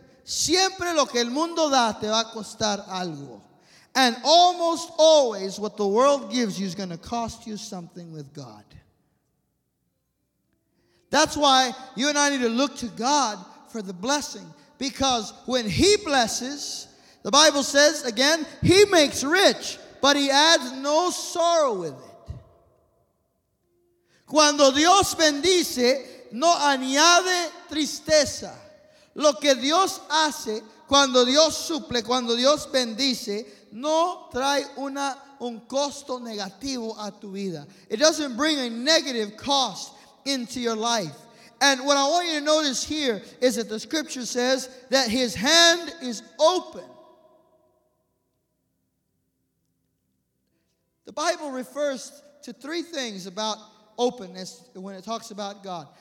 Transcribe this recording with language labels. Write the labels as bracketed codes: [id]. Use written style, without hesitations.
[es] Siempre lo que el mundo da te va a costar algo. [en] And almost always what the world gives you is going to cost you something with God. That's why you and I need to look to God for the blessing. Because when he blesses, the Bible says again, he makes rich, but he adds no sorrow with it. [es] Cuando Dios bendice, no añade tristeza. Lo que Dios hace, cuando Dios suple, cuando Dios bendice, no trae un costo negativo a tu vida. [en] It doesn't bring a negative cost into your life. And what I want you to notice here is that the scripture says that his hand is open. The Bible refers to three things about openness when it talks about God.